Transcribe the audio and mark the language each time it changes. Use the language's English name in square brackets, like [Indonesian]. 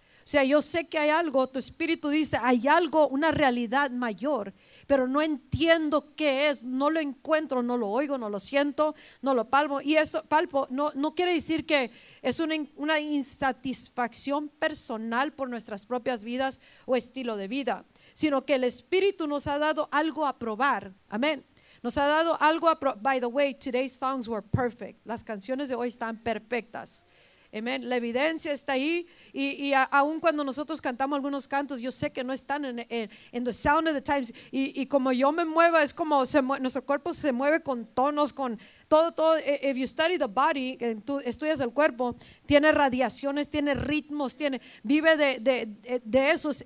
[Spanish] O sea, yo sé que hay algo, tu espíritu dice, hay algo, una realidad mayor, pero no entiendo qué es, no lo encuentro, no lo oigo, no lo siento, no lo palpo. Y eso, palpo, no quiere decir que es una insatisfacción personal por nuestras propias vidas o estilo de vida, sino que el espíritu nos ha dado algo a probar. Amén. Nos ha dado algo a probar. [English] By the way, today's songs were perfect. [Spanish] Las canciones de hoy están perfectas. Amén. La evidencia está ahí. Y aun cuando nosotros cantamos algunos cantos, yo sé que no están en [English] the sound of the times. [Spanish] Y como yo me muevo, es como nuestro cuerpo se mueve con tonos, con todo. [English] If you study the body, [Spanish] tú estudias el cuerpo, tiene radiaciones, tiene ritmos, vive de esos.